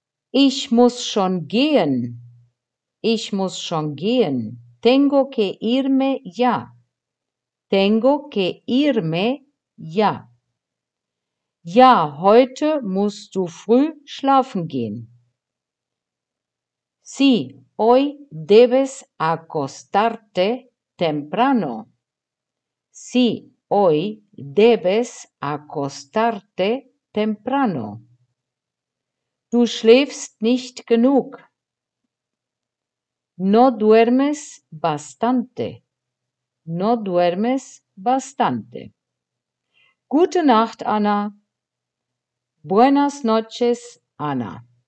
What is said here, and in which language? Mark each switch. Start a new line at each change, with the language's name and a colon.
German: Ich muss schon gehen. Ich muss schon gehen.
Spanish: Tengo que irme ya. Tengo que irme ya.
German: Ja, heute musst du früh schlafen gehen.
Spanish: Sí, hoy debes acostarte temprano. Sí, hoy debes acostarte temprano.
German: Du schläfst nicht genug.
Spanish: No duermes bastante. No duermes bastante.
German: Gute Nacht, Anna.
Spanish: Buenas noches, Anna.